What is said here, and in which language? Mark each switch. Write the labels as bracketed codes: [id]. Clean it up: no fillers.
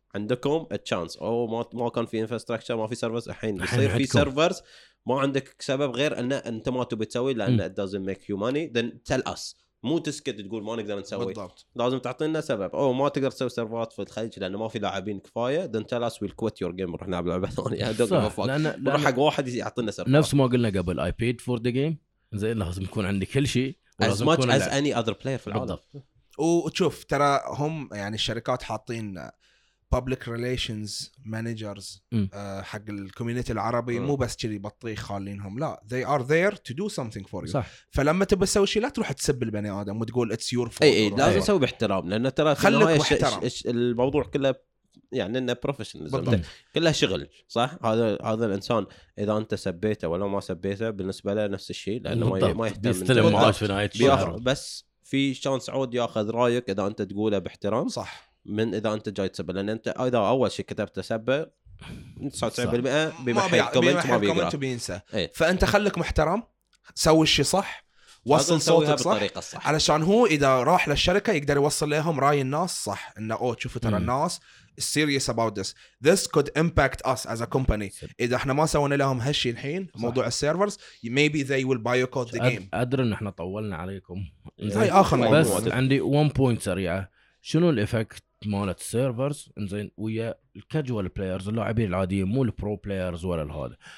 [ar] عندكم تشانس او ما كان في انفراستراكشر ما في سيرفرز الحين بيصير في سيرفرز ما عندك سبب غير ان انت ما تبي تسوي لان [en] it doesn't make you money then tell us [ar] مو تسكت تقول ما نقدر نسوي بالضبط. لازم تعطينا سبب او ما تقدر تسوي سيرفرات في الخليج لانه ما في لاعبين كفايه [en] then tell us we'll quit your game [ar] نروح نلعب لعبه ثانيه نروح حق واحد يعطينا سبب نفس ما قلنا قبل [en] I paid for the game [ar] زين لازم يكون عندي كل شيء [en] as much as any other player في العالم [ar] وتشوف ترى هم يعني الشركات حاطين public relations managers حق الكوميونتي العربي مو بس كذي بطيخ خالينهم لا [en] they are there to do something for you [ar] صح. فلما تبي تسوي شيء لا تروح تسب البني ادم وتقول [en] it's your fault [ar] اي لازم تسوي باحترام لان ترى الموضوع كله يعني انه بروفيشنالزم كلها شغل صح هذا الانسان اذا انت سبيته ولا ما سبيته بالنسبه له نفس الشيء لانه ما يهتم يستلم معاش في نهايه الشهر بس في شانس عود ياخذ رايك اذا انت تقوله باحترام صح من اذا انت جاي تسب لان انت اذا اول شيء كتبت تسب 99% بمحي الكومنت ما بيقرا فانت خليك محترم سوي الشيء صح وصل صوتك صح علشان هو اذا راح للشركه يقدر يوصل لهم راي الناس صح انه او تشوف ترى الناس [en] serious about this. This could impact us as a company. [ar] إذا إحنا ما سوينا لهم هالشي الحين موضوع السيرفرز [en] maybe they will boycott the game. [ar] أدري إن إحنا طولنا عليكم. هاي آخر بس عندي [en] one point [ar] سريعة. شنو الإفكت مالت السيرفرز إنزين ويا الكاجوال بلايرز اللاعبين العاديين مو البرو بلايرز ولا الهذا.